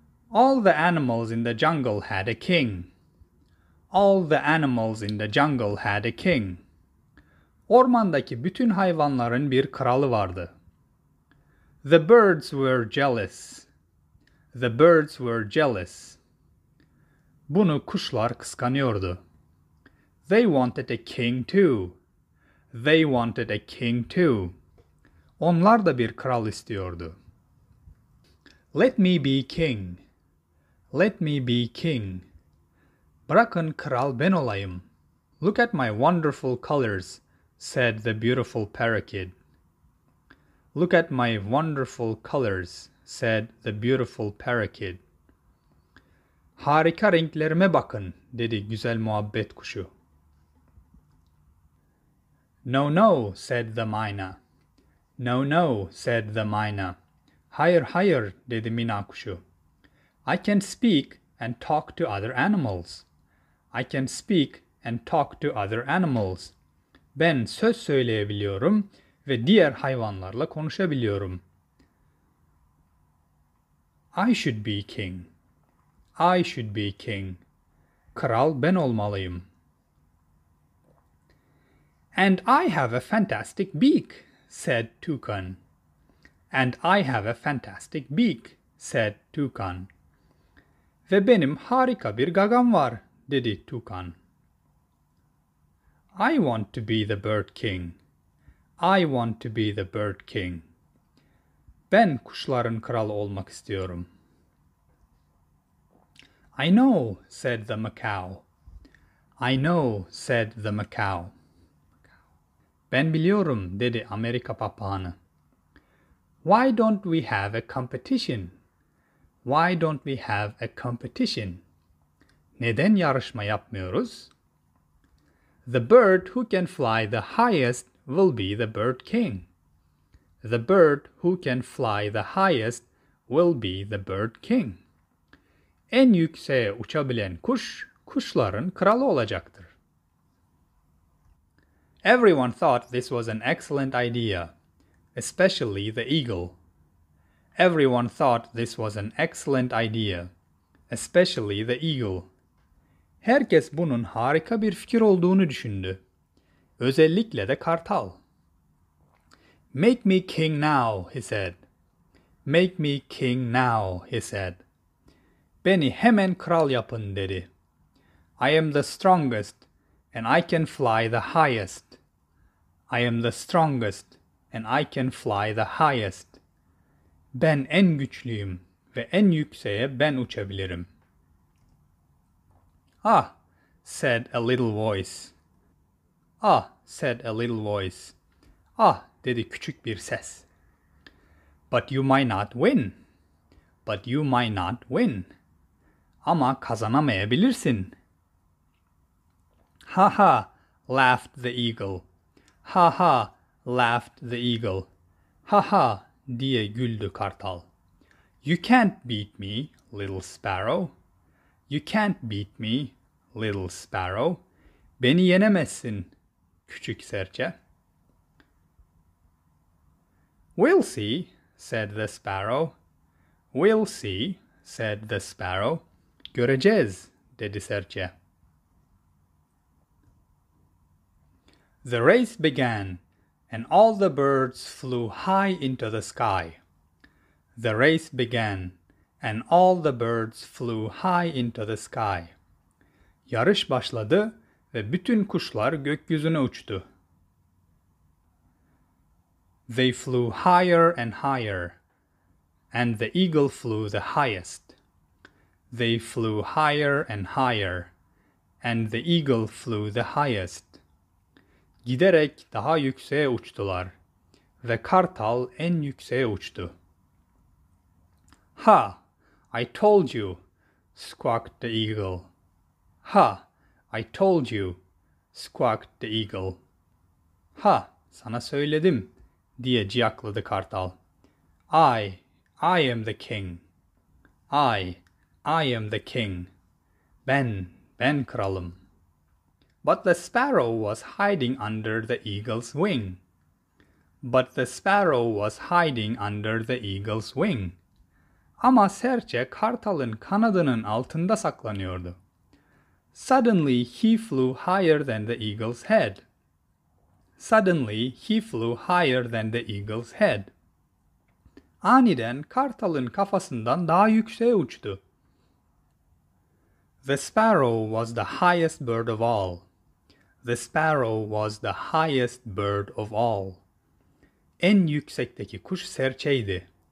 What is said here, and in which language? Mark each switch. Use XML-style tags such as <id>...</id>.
<en>All the animals in the jungle had a king. All the animals in the jungle had a king.</en> <tr>Ormandaki bütün hayvanların bir kralı vardı.</tr> <en>The birds were jealous. The birds were jealous.</en> <tr>Bunu kuşlar kıskanıyordu.</tr> <en>They wanted a king too. They wanted a king too.</en> <tr>Onlar da bir kral istiyordu.</tr> <en>Let me be king. Let me be king.</en> <tr>Bırakın kral ben olayım.</tr> <en>Look at my wonderful colors, said the beautiful parakeet. Look at my wonderful colors, said the beautiful parakeet.</en> <tr>Harika renklerime bakın, dedi güzel muhabbet kuşu.</tr> <en>No, no, said the mina. No, no, said the mina.</en> <tr>Hayır, hayır, dedi mina kuşu.</tr> <en>I can speak and talk to other animals. I can speak and talk to other animals.</en> <tr>Ben söz söyleyebiliyorum ve diğer hayvanlarla konuşabiliyorum.</tr> <en>I should be king. I should be king.</en> <tr>Kral ben olmalıyım.</tr> <en>And I have a fantastic beak, said Toucan. And I have a fantastic beak, said Toucan.</en> <tr>Ve benim harika bir gagam var, dedi Toucan.</tr> <en>I want to be the bird king. I want to be the bird king.</en> <tr>Ben kuşların kralı olmak istiyorum.</tr> <en>I know, said the macaw. I know, said the macaw.</en> <tr>Ben biliyorum, dedi Amerika papağanı.</tr> <en>Why don't we have a competition? Why don't we have a competition?</en> <tr>Neden yarışma yapmıyoruz?</tr> <en>The bird who can fly the highest will be the bird king. The bird who can fly the highest will be the bird king.</en> <tr>En yükseğe uçabilen kuş, kuşların kralı olacaktır.</tr> <en>Everyone thought this was an excellent idea, especially the eagle. Everyone thought this was an excellent idea, especially the eagle.</en> <tr>Herkes bunun harika bir fikir olduğunu düşündü. Özellikle de kartal.</tr> <en>Make me king now, he said. Make me king now, he said.</en> <tr>Beni hemen kral yapın, dedi.</tr> <en>I am the strongest and I can fly the highest. I am the strongest and I can fly the highest.</en> <tr>Ben en güçlüyüm ve en yükseğe ben uçabilirim.</tr> <en>Ah, said a little voice. Ah, said a little voice.</en> <tr>Ah, dedi küçük bir ses.</tr> <en>But you might not win. But you might not win.</en> <tr>Ama kazanamayabilirsin.</tr> <en>Ha ha, laughed the eagle. Ha ha, laughed the eagle.</en> <tr>Ha ha, diye güldü kartal.</tr> <en>You can't beat me, little sparrow. You can't beat me, little sparrow.</en> <tr>Beni yenemezsin, küçük serçe.</tr> <en>We'll see, said the sparrow. We'll see, said the sparrow.</en> <tr>Göreceğiz, dedi serçe.</tr> <en>The race began, and all the birds flew high into the sky. The race began, and all the birds flew high into the sky.</en> <tr>Yarış başladı ve bütün kuşlar gökyüzüne uçtu.</tr> <en>They flew higher and higher, and the eagle flew the highest. They flew higher and higher, and the eagle flew the highest.</en> <tr>Giderek daha yükseğe uçtular ve kartal en yükseğe uçtu.</tr> <en>Ha, I told you, squawked the eagle. Ha, I told you, squawked the eagle.</en> <tr>Ha, sana söyledim, diye ciyakladı kartal.</tr> <en>I am the king. I am the king.</en> <tr>Ben kralım.</tr> <en>But the sparrow was hiding under the eagle's wing. But the sparrow was hiding under the eagle's wing.</en> <tr>Ama serçe kartalın kanadının altında saklanıyordu.</tr> <en>Suddenly he flew higher than the eagle's head. Suddenly he flew higher than the eagle's head.</en> <tr>Aniden kartalın kafasından daha yükseğe uçtu.</tr> <en>The sparrow was the highest bird of all. The sparrow was the highest bird of all.</en> <tr>En yüksekteki kuş serçeydi.</tr>